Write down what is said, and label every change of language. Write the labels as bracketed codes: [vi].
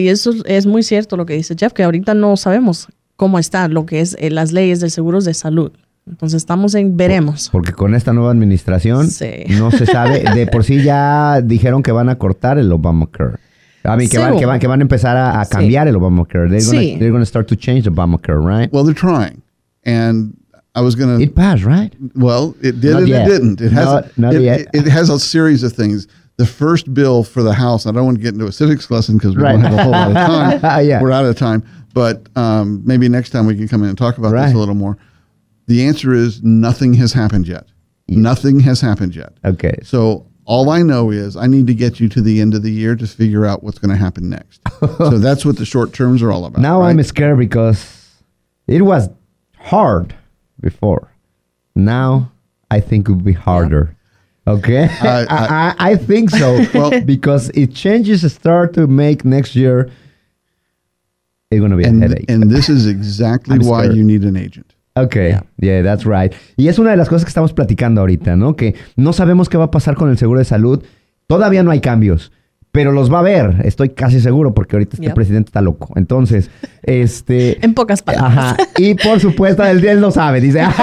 [es] Y eso es muy cierto lo que dice Jeff, que ahorita no sabemos cómo está lo que es las leyes de seguros de salud. Entonces estamos en veremos. Porque con esta nueva administración no se sabe. De por sí ya dijeron que van a cortar el Obamacare. Que van a empezar a cambiar el Obamacare. [en] They're going to start to change the Obamacare, right? Well, they're trying. And I was going to... It passed, right? Well, it did not and yet. It didn't. It hasn't yet. It has a series of things. The first bill for the House, I don't want to get into a civics lesson because we don't have a whole lot of time. Yeah. We're out of time. But maybe next time we can come in and talk about this a little more. The answer is nothing has happened yet. Yes. Nothing has happened yet. Okay. So all I know is I need to get you to the end of the year to figure out what's going to happen next. So that's what the short terms are all about. Now right? I'm scared because it was hard before. Now I think it would be harder. Yeah. Okay, I think so, well, because if changes start to make next year, it's going to be and, a headache. And this is exactly why scared. You need an agent. Okay, yeah, that's right. [es] Y es una de las cosas que estamos platicando ahorita, ¿no? Que no sabemos qué va a pasar con el seguro de salud. Todavía no hay cambios, pero los va a haber. Estoy casi seguro porque ahorita este presidente está loco. Entonces, en pocas palabras. Ajá. Y por supuesto, él lo sabe, dice...